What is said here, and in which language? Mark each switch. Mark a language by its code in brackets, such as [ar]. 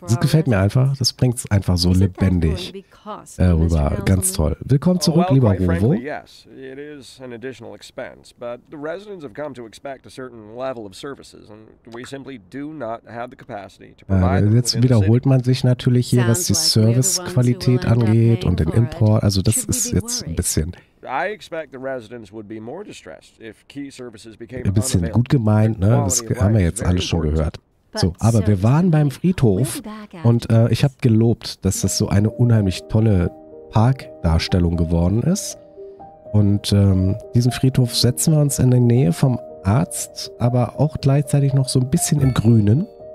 [de] Das gefällt mir einfach, das bringt es einfach so lebendig rüber. Ganz toll. Willkommen zurück, lieber Rovo. [en] Yes, it is an additional expense, but the residents have come to expect a certain level of services and we simply do not have the capacity to provide. [de] Jetzt wiederholt man sich natürlich hier, was die Servicequalität angeht und den Import, also das ist jetzt ein bisschen. [en] I expect the residents would be more distressed if key services became unavailable. [de] Ein bisschen gut gemeint, ne? Das haben wir jetzt alles schon gehört. So, aber wir waren beim Friedhof und ich habe gelobt, dass das so eine unheimlich tolle Parkdarstellung geworden ist. Und diesen Friedhof setzen wir uns in der Nähe vom Arzt, aber auch gleichzeitig noch so ein bisschen im Grünen.